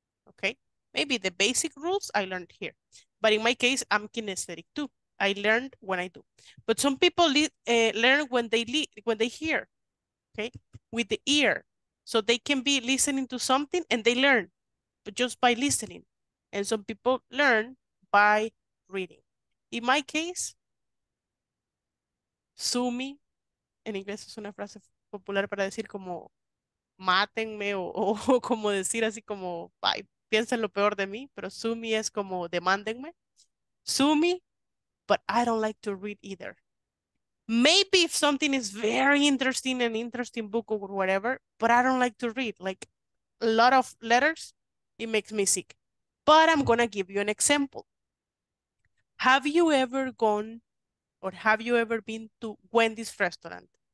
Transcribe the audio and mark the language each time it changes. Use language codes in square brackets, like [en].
[en] Okay? Maybe the basic rules I learned here. But in my case, I'm kinesthetic too. I learned when I do. But some people learn when they hear, okay? With the ear. So they can be listening to something and they learn, but just by listening. And some people learn by reading. In my case, [es] sumi, en inglés es una frase popular para decir como mátenme o como decir así como bye. Piensa en lo peor de mí, pero sue me es como demandenme. [en] Sue me, but I don't like to read either. Maybe if something is very interesting, an interesting book or whatever, but I don't like to read. Like a lot of letters, it makes me sick. But I'm going to give you an example. Have you ever gone or have you ever been to Wendy's restaurant?